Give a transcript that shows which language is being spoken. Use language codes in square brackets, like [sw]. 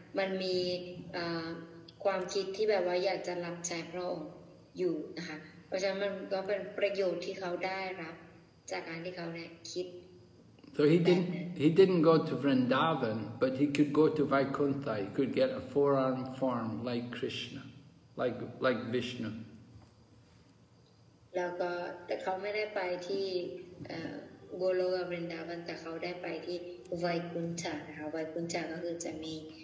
[th] มันมีความคิดที่แบบว่าอยากจะรับใช้พระองค์อยู่นะคะเพราะฉะนั้นมันก็เป็นประโยชน์ที่เขาได้รับจากการที่เขาเนี่ยคิด [en] So he didn't go to Vrindavan but he could go to Vaikuntha he could get a four-arm form like Krishna like Vishnu [th] แล้วก็แต่เขาไม่ได้ไปที่โกโลกวรินดาวันแต่เขาได้ไปที่ Vaikuntha นะคะ Vaikuntha ก็คือจะมี